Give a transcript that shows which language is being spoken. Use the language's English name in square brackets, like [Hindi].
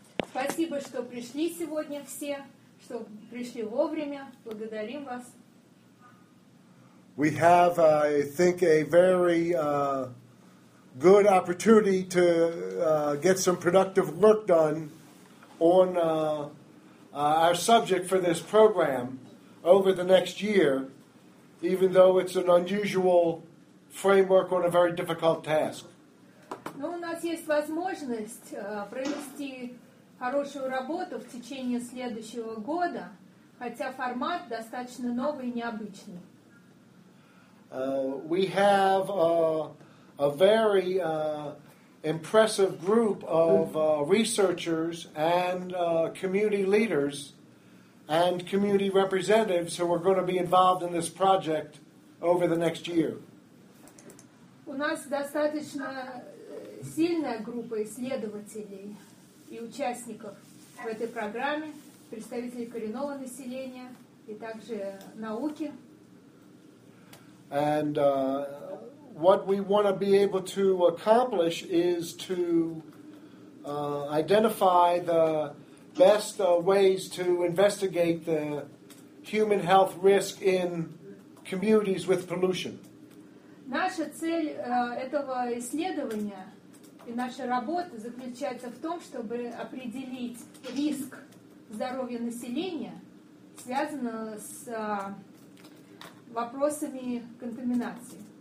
[Russian] Спасибо, что пришли сегодня все, что пришли вовремя. Благодарим вас. [English] We have, I think, a very good opportunity to get some productive work done on our subject for this program over the next year, even though it's an unusual framework on a very difficult task. [Russian] Ну, у нас есть возможность провести хорошую работу в течение следующего года, хотя формат достаточно новый и необычный. [English] We have a very impressive group of researchers and community leaders and community representatives who are going to be involved in this project over the next year. [Russian] У нас достаточно сильная группа исследователей и участников в этой программе, представителей коренного населения и также науки. [English] And what we want to be able to accomplish is to identify the best ways to investigate the human health risk in communities with pollution. [Russian] Наша цель этого исследования и наша работа заключается в том, чтобы определить риск здоровья населения, связанного с вопросами контаминации.